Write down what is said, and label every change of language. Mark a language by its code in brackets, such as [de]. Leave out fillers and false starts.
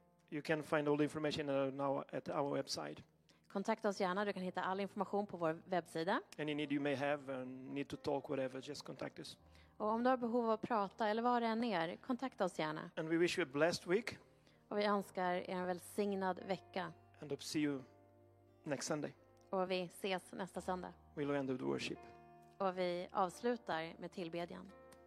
[en] you can find all the information now at our website. [sv] Kontakta oss gärna, du kan hitta all information på vår webbsida. [en] Any need you may have and need to talk whatever, just contact us. [sv] Och om du har behov av att prata eller vad det än är, kontakta oss gärna. [en] And we wish you a blessed week. [sv] Och vi önskar er en välsignad vecka. [en] And hope see you next Sunday. [sv] Och vi ses nästa söndag. [en] We'll end with worship. [sv] Och vi avslutar med tillbedjan.